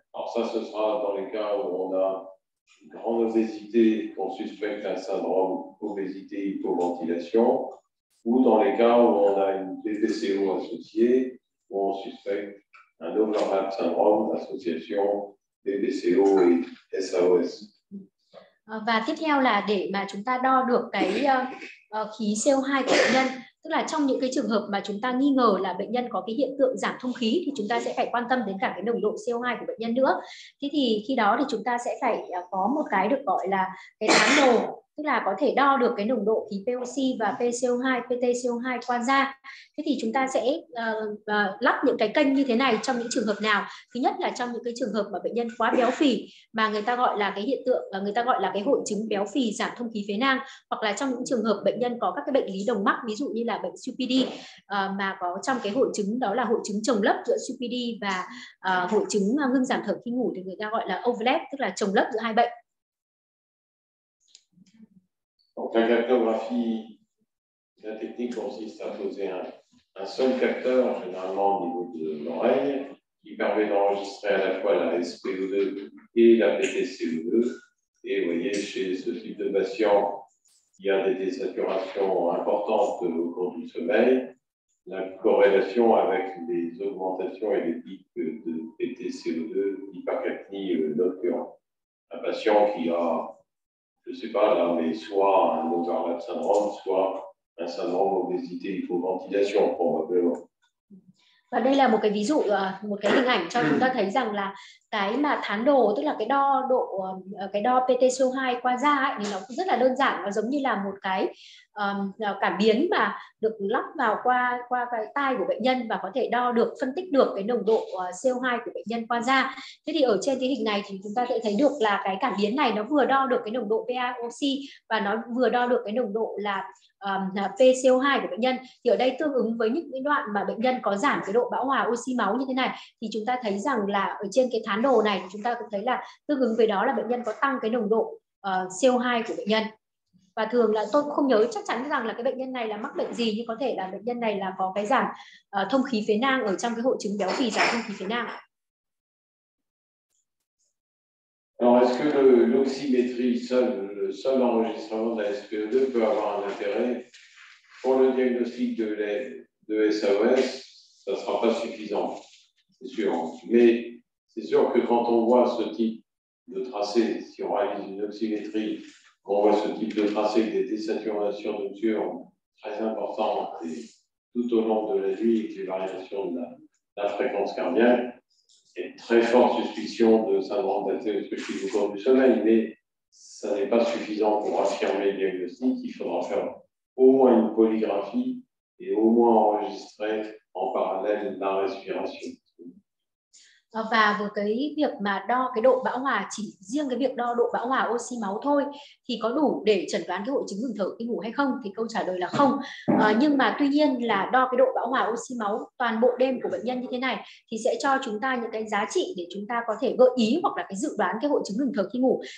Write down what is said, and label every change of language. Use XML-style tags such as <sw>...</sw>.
<fr>Alors ça, ce sera dans les cas où on a une grande obésité, qu'on suspecte un syndrome obésité-hypoventilation. ou dans les cas où on a une DPCO associée, où on suspecte un overlap syndrome d'association DPCO et SAOS.</fr> <vi>Và tiếp theo là để mà chúng ta đo được cái khí CO2 của bệnh nhân, tức là trong những cái trường hợp mà chúng ta nghi ngờ là bệnh nhân có cái hiện tượng giảm thông khí thì chúng ta sẽ phải quan tâm đến cả cái nồng độ CO2 của bệnh nhân nữa. Thế thì khi đó thì chúng ta sẽ phải có một cái được gọi là cái thám đồ, tức là có thể đo được cái nồng độ khí POC và PCO2, PTCO2 qua da. Thế thì chúng ta sẽ lắp những cái kênh như thế này trong những trường hợp nào? Thứ nhất là trong những cái trường hợp mà bệnh nhân quá béo phì, mà người ta gọi là cái hiện tượng, người ta gọi là cái hội chứng béo phì giảm thông khí phế nang, hoặc là trong những trường hợp bệnh nhân có các cái bệnh lý đồng mắc, ví dụ như là bệnh CPD, mà có trong cái hội chứng đó là hội chứng chồng lấp giữa CPD và hội chứng ngưng giảm thở khi ngủ, thì người ta gọi là overlap, tức là chồng lấp giữa hai bệnh.</vi> <fr>Donc la cartographie, la technique consiste à poser un seul capteur, généralement au niveau de l'oreille, qui permet d'enregistrer à la fois la SPO2 et la PTCO2. Et vous voyez, chez ce type de patient, il y a des désaturations importantes au cours du sommeil. La corrélation avec les augmentations et les pics de PTCO2, hypercapnie nocturne. Un patient qui a... Je ne sais pas, là, mais soit un overlap syndrome, soit un syndrome obésité hypoventilation, probablement.</fr> <vi>Và đây là một cái ví dụ, một cái hình ảnh cho chúng ta thấy rằng là cái mà thán đồ, tức là cái đo độ, cái đo PTCO2 qua da ấy, thì nó cũng rất là đơn giản, nó giống như là một cái cảm biến mà được lắp vào qua cái tai của bệnh nhân và có thể đo được, phân tích được cái nồng độ CO2 của bệnh nhân qua da. Thế thì ở trên cái hình này thì chúng ta sẽ thấy được là cái cảm biến này nó vừa đo được cái nồng độ PAOC và nó vừa đo được cái nồng độ là PCO2 của bệnh nhân. Thì ở đây tương ứng với những cái đoạn mà bệnh nhân có giảm cái độ bão hòa oxy máu như thế này, thì chúng ta thấy rằng là ở trên cái thán đồ này chúng ta cũng thấy là tương ứng với đó là bệnh nhân có tăng cái nồng độ CO2 của bệnh nhân. Và thường là tôi không nhớ chắc chắn rằng là cái bệnh nhân này là mắc bệnh gì, nhưng có thể là bệnh nhân này là có cái giảm thông khí phế nang ở trong cái hội chứng béo phì giảm thông khí phế nang.</vi> <fr>Alors, est-ce que l'oxymétrie seule, le seul enregistrement de la SPO2 peut avoir un intérêt pour le diagnostic de SAOS? Ça ne sera pas suffisant, c'est sûr. Mais c'est sûr que quand on voit ce type de tracé, si on réalise une oxymétrie, qu'on voit ce type de tracé avec des désaturations nocturnes très importantes et tout au long de la nuit avec les variations de la fréquence cardiaque, et très forte suspicion de syndrome d'athérosclérose au cours du sommeil, mais ça n'est pas suffisant pour affirmer le diagnostic. Il faudra faire au moins une polygraphie et au moins enregistrer en parallèle la respiration.</fr> <vi>Và với cái việc mà đo cái độ bão hòa, chỉ riêng cái việc đo độ bão hòa oxy máu thôi thì có đủ để chẩn đoán cái hội chứng ngừng thở khi ngủ hay không, thì câu trả lời là không. Nhưng mà tuy nhiên là đo cái độ bão hòa oxy máu toàn bộ đêm của bệnh nhân như thế này thì sẽ cho chúng ta những cái giá trị để chúng ta có thể gợi ý hoặc là cái dự đoán cái hội chứng ngừng thở khi ngủ.</vi>